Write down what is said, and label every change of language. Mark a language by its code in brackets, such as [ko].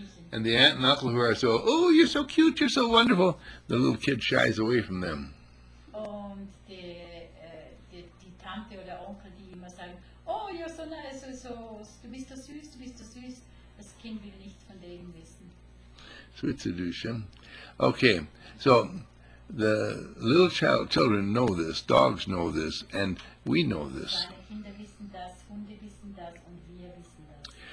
[en] And the aunt and uncle who are so, oh, you're so cute, you're so wonderful, the little kid shies away from them. [de] Und die, die Tante oder Onkel, die immer sagen, [en] oh, you're so nice, so, so, [de] du bist so süß, du bist so süß. Das Kind will nichts von denen wissen. [en] Sweet seduction. Okay, so the little child, children know this, dogs know this, and we know this. [de] Kinder wissen das, Hunde wissen das, und wir wissen das.